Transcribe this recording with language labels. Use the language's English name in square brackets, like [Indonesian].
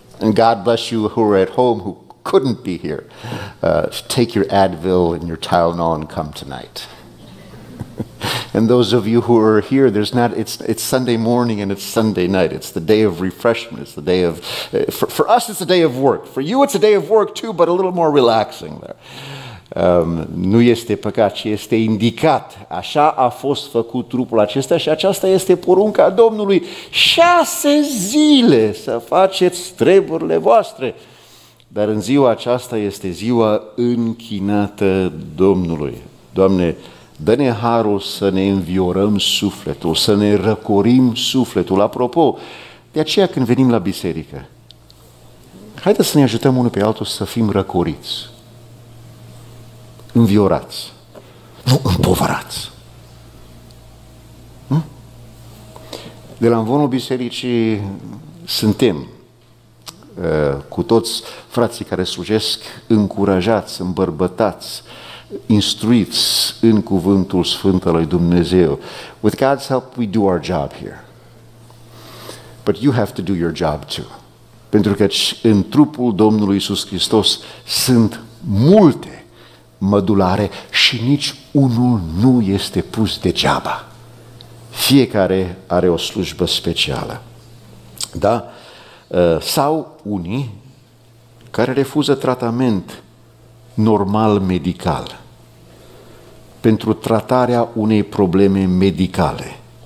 [English] And God bless you who are at home who couldn't be here. Take your Advil and your Tylenol and come tonight. And those of you who are here, there's not, it's Sunday morning and it's Sunday night. It's the day of refreshment. It's the day of, for us, it's a day of work. For you, it's a day of work too, but a little more relaxing there. [Romanian] Nu este păcat, ci este indicat. Așa a fost făcut trupul acesta și aceasta este porunca Domnului. 6 zile să faceți treburile voastre. Dar în ziua aceasta este ziua închinată Domnului. Doamne, dă-ne harul să ne înviorăm sufletul, să ne răcorim sufletul. Apropo, de aceea când venim la biserică, haideți să ne ajutăm unul pe altul să fim răcoriți, înviorați, nu împovărați. De la învonul bisericii suntem cu toți frații care slujesc încurajați, îmbărbătați, instruiți în cuvântul sfânt al lui Dumnezeu. [English] With God's help, we do our job here. But you have to do your job too. [Romanian] Pentru că în trupul Domnului Iisus Hristos sunt multe mădulare și nici unul nu este pus degeaba. Fiecare are o slujbă specială. Da? Sau unii care refuză tratament normal medical pentru tratarea unei probleme medicale.